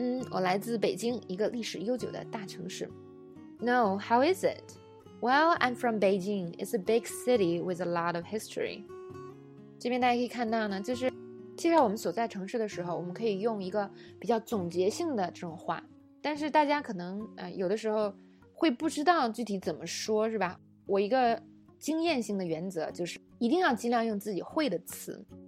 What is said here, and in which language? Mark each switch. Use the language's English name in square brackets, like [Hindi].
[Chinese] 我来自北京，一个历史悠久的大城市。 [English] No, how is it? Well, I'm from Beijing. It's a big city with a lot of history. [Chinese] 这边大家可以看到呢，就是介绍我们所在城市的时候，我们可以用一个比较总结性的这种话。但是大家可能有的时候会不知道具体怎么说，是吧？我一个经验性的原则就是一定要尽量用自己会的词。